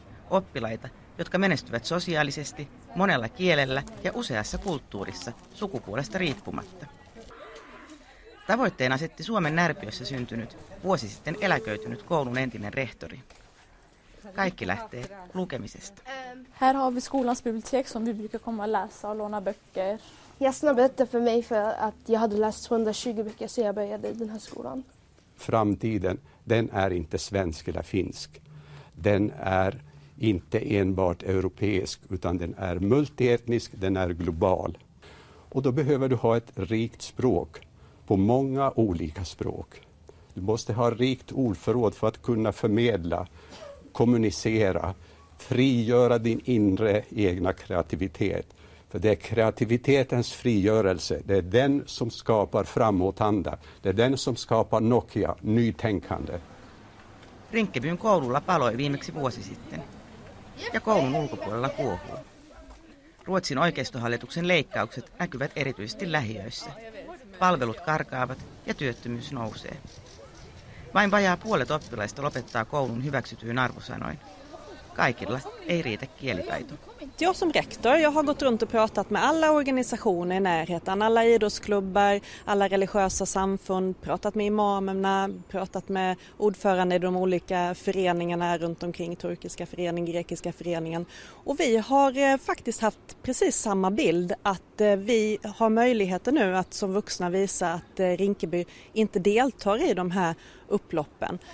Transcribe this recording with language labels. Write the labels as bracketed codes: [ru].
[fi] Oppilaita, jotka menestyvät sosiaalisesti, monella kielellä ja useassa kulttuurissa, sukupuolesta riippumatta. Tavoitteen asetti Suomen Närpiössä syntynyt, vuosi sitten eläköitynyt koulun entinen rehtori. Kaikki lähtee lukemisesta. [sv] Här har vi skolans bibliotek som vi brukar komma läsa och låna böcker. jag snabbade upp det för mig för att jag hade läst 120 böcker så jag började i den här skolan. Framtiden, den är inte svensk eller finsk. Den är inte enbart europeisk utan den är multietnisk, den är global. Och då behöver du ha ett rikt språk på många olika språk. Du måste ha rikt ordförråd för att kunna förmedla, kommunicera, frigöra din inre egna kreativitet. För det är kreativitetens frigörelse. Det är den som skapar framåtanda. Det är den som skapar Nokia, nytänkande. [fi] Rinkebyn koululla paloi viimeksi vuosi sitten. Ja koulun ulkopuolella kuohuu. Ruotsin oikeistohallituksen leikkaukset näkyvät erityisesti lähiöissä. Palvelut karkaavat ja työttömyys nousee. Vain vajaa puolet oppilaista lopettaa koulun hyväksytyyn arvosanoin. Kaikilla ei riitä kielitaito. [sv] Jag som rektor, jag har gått runt och pratat med alla organisationer i närheten, alla idrottsklubbar, alla religiösa samfund, pratat med imamerna, pratat med ordförande i de olika föreningarna runt omkring, turkiska föreningen, grekiska föreningen. Och vi har faktiskt haft precis samma bild, att vi har möjligheter nu att som vuxna visa att Rinkeby inte deltar i de här upploppen.